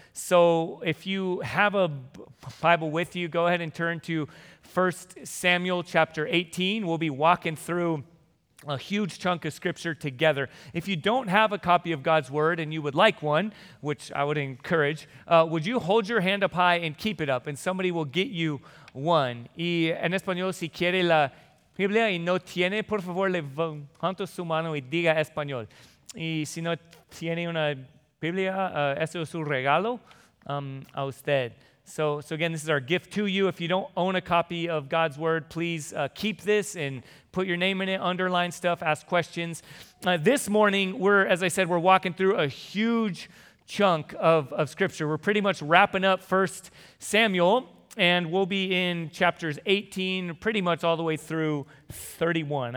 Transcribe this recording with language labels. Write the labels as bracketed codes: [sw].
[en] So if you have a Bible with you, go ahead and turn to 1 Samuel chapter 18. We'll be walking through a huge chunk of scripture together. If you don't have a copy of God's word and you would like one, which I would encourage, would you hold your hand up high and keep it up, and somebody will get you one. [es] Y en español, si quiere la Biblia y no tiene, por favor, levante su mano y diga español. Y si no tiene una Biblia, eso es su regalo a usted. [en] So again, this is our gift to you. If you don't own a copy of God's word, please keep this and put your name in it, underline stuff, ask questions. This morning, as I said, we're walking through a huge chunk of scripture. We're pretty much wrapping up 1 Samuel, and we'll be in chapters 18, pretty much all the way through 31.